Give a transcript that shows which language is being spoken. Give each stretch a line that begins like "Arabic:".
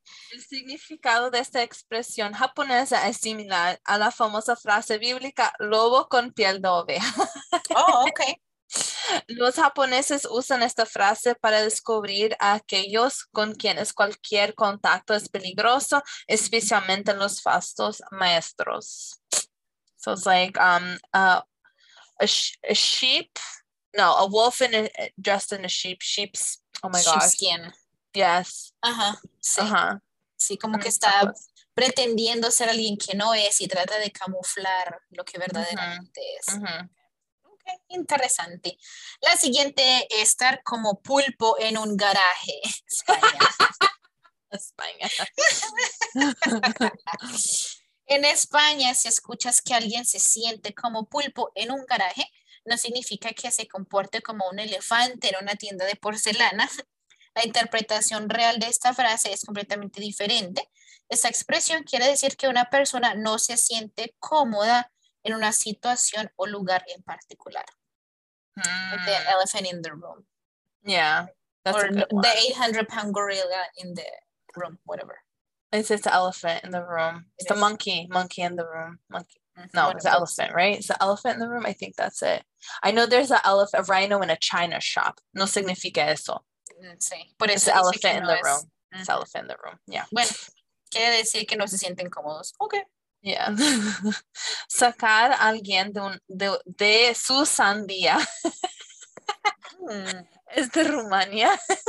Spanish: El significado de esta expresión japonesa es similar a la famosa frase bíblica, lobo con piel de oveja.
English: Oh, okay.
Spanish: Los japoneses usan esta frase para descubrir a aquellos con quienes cualquier contacto es peligroso, especialmente los falsos maestros.
English: So it's like a sheep, no, a wolf in a, dressed in a sheep, sheep's Oh my gosh. Skin. Yes.
Spanish: Ajá. Sí. Ajá. Sí, como que está pretendiendo ser alguien que no es y trata de camuflar lo que verdaderamente es. Okay, interesante. La siguiente, estar como pulpo en un garaje. España. En España, si escuchas que alguien se siente como pulpo en un garaje, no significa que se comporte como un elefante en una tienda de porcelana. La interpretación real de esta frase es completamente diferente. Esta expresión quiere decir que una persona no se siente cómoda en una situación o lugar en particular.
English: Like the elephant in the room. Yeah, that's or a good one. The 800-pound gorilla in the room, whatever. It's the elephant in the room. It's the monkey in the room. Monkey. No, it's the elephant, right? It's the elephant in the room. I think that's it. I know there's a rhino in a china shop.
Spanish: No significa eso. Sí, por eso es el
English: elephant in the room. Es el elephant in the room. Yeah.
Spanish: Bueno, quiere decir que no se sienten cómodos.
English: Okay. Yeah.
Spanish: Sacar a alguien de su sandía. Es de Rumania.